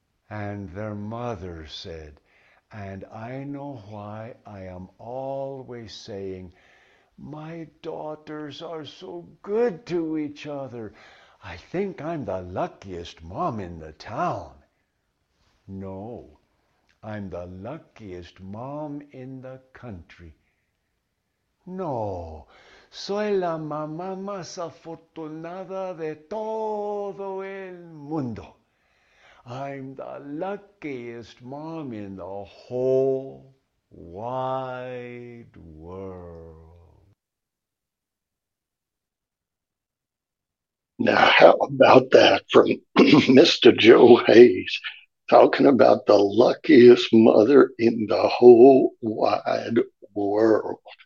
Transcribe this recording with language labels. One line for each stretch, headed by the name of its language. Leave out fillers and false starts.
English: And their mother said, and I know why I am always saying, my daughters are so good to each other. I think I'm the luckiest mom in the town. No, I'm the luckiest mom in the country.
Spanish: No, soy la mamá más afortunada de todo el mundo.
English: I'm the luckiest mom in the whole wide world. Now, how about that from Mr. Joe Hayes, talking about the luckiest mother in the whole wide world?